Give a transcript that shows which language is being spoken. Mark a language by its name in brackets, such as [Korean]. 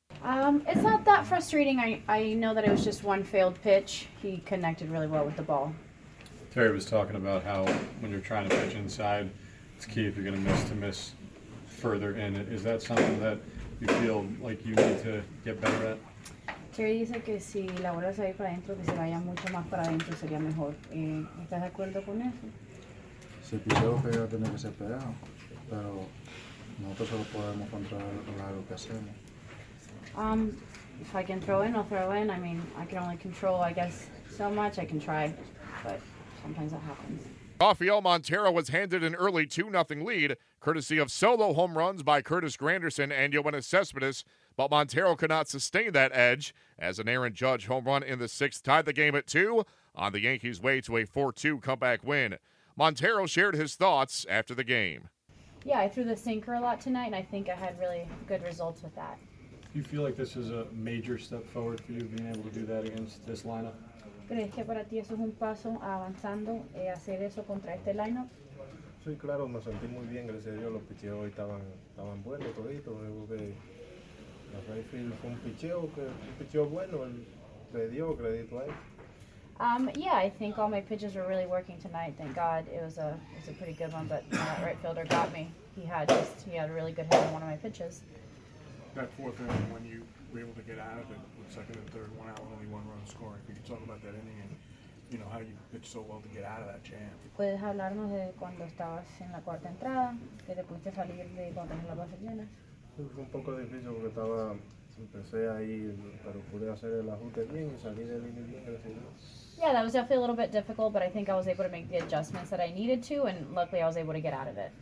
[English] It's not that frustrating. I know that it was just one failed pitch. He connected really well with the ball. Terry was talking about how when you're trying to pitch inside, it's key if you're going to miss further in. Is that something that you feel like you need to get better at? [Spanish] Terry dice que si la bola se va para adentro, que se vaya mucho más para adentro, sería mejor. ¿Estás de acuerdo con eso? Se pidió que iba a tener que ser pegado, pero nosotros solo podemos controlar lo que hacemos. [English] If I can throw in, I'll throw in. I mean, I can only control, I guess, so much. I can try, but sometimes that happens. Rafael Montero was handed an early 2-0 lead, courtesy of solo home runs by Curtis Granderson and Yoenis Cespedes. But Montero could not sustain that edge as an Aaron Judge home run in the sixth tied the game at 2 on the Yankees' way to a 4-2 comeback win. Montero shared his thoughts after the game. Yeah, I threw the sinker a lot tonight, and I think I had really good results with that. Do you feel like this is a major step forward for you, being able to do that against this lineup? [Spanish] ¿Crees que para ti eso es un paso avanzando, hacer eso contra este lineup? Sí, claro, me sentí muy bien, gracias a Dios. Los picheos hoy estaban buenos toditos. Creo que la right field fue un picheo bueno. Le dio crédito a él. [English] Yeah, I think all my pitches were really working tonight. Thank God it was a pretty good one, but that right fielder got me. He had a really good hit on one of my pitches. That fourth inning when you were able to get out of it with second and third, one out with only one run scoring. Could you talk about that inning and, you know, how you pitched so well to get out of that jam? [Spanish] ¿Puedes hablarnos de cuando estabas en la cuarta entrada, que te pudiste salir de cuando tenías las bases llenas? Fue un poco difícil porque estaba, empecé ahí, pero pude hacer el ajuste bien y salir del inning bien, gracias a Dios. [English] Yeah, that was definitely a little bit difficult, but I think I was able to make the adjustments that I needed to, and luckily I was able to get out of it.